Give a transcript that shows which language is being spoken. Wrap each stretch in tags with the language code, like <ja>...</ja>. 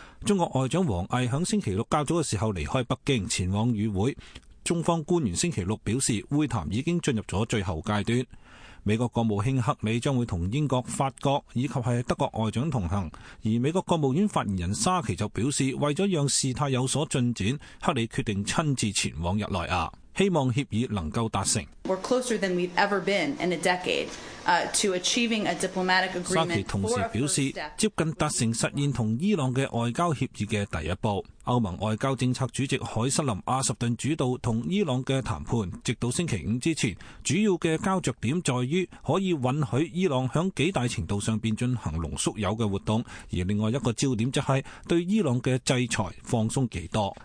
<zh>中国外长王毅在星期六较早的时候离开北京前往与会，中方官员星期六表示会谈已经进入了最后阶段。美国国务卿克里将会同英国、法国以及是德国外长同行，而美国国务院发言人沙奇就表示，为了让事态有所进展，克里决定亲自前往日内瓦，希望协议能够达成。</zh> <en>We're closer than we've ever been in a decade to achieving a diplomatic agreement.</en> <zh>沙奇同时表示，接近达成实现同伊朗的外交协议的第一步。欧盟外交政策主席海瑟林·阿什顿主导同伊朗的谈判，直到星期五之前，主要的胶着点在于可以允许伊朗在几大程度上边进行浓缩铀的活动，而另外一个焦点则是对伊朗的制裁放松几多。</zh>